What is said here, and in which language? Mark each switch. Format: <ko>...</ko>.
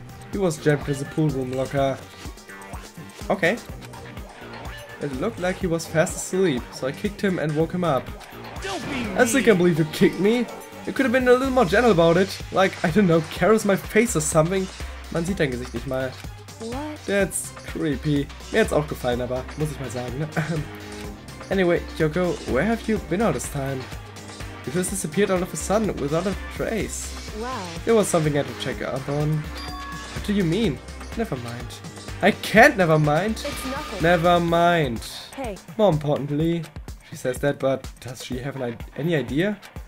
<en>He was jammed in the pool room locker. Okay. It looked like he was fast asleep, so I kicked him and woke him up. I still can't believe you kicked me. You could have been a little more gentle about it. Like, I don't know, caress my face or something.</en> <de>Man sieht dein Gesicht nicht mal.</de> <en>What? That's creepy.</en> <de>Mir hat's auch gefallen, aber muss ich mal sagen.</de> <en>Anyway, Kyoko, where have you been all this time? You just disappeared all of a sudden without a trace. Wow. There was something I had to check up on. What do you mean? Never mind. I can't never mind. It's nothing. Never mind. Hey. More importantly, she says that, but does she have any idea?</en>